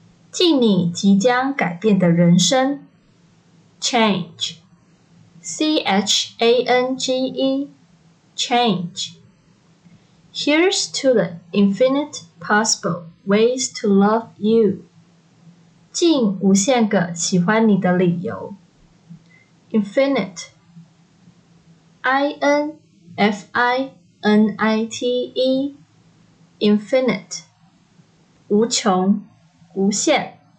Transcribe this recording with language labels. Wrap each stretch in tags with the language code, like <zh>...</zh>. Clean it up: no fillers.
<zh>敬你即将改变的人生。Change, C-H-A-N-G-E, change.</zh> <en>Here's to the infinite possible ways to love you.</en> <zh>敬无限个喜欢你的理由。</zh> <en>Infinite, I-N-F-I-N-I-T-E, infinite,</en> <zh>无穷，无限。</zh>